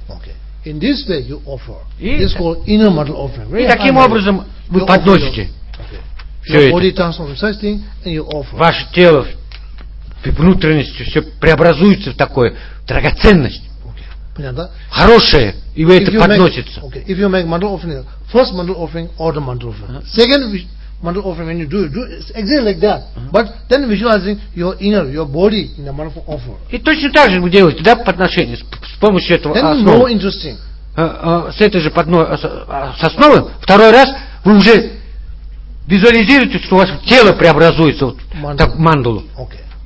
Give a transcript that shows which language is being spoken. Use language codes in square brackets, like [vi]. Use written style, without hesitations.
[en] Okay. In this way you offer. This is called inner mandala offering. [ru] И таким образом вы подносите. Ваше тело, внутренностью все преобразуется в такое драгоценность. Понятно? Хорошее, и вы это подносите. [en] Okay. If you make mandala offering, first mandala offering or the mandala offering. Second mandala offering when you do it's exactly like that. But then visualizing your inner, your body in the mandala offer. [ru] И точно так же вы делаете, да, подношение. С помощью этого основы. С этой же основы, второй раз вы уже визуализируете, что у вас тело преобразуется в мандалу. [en] Okay.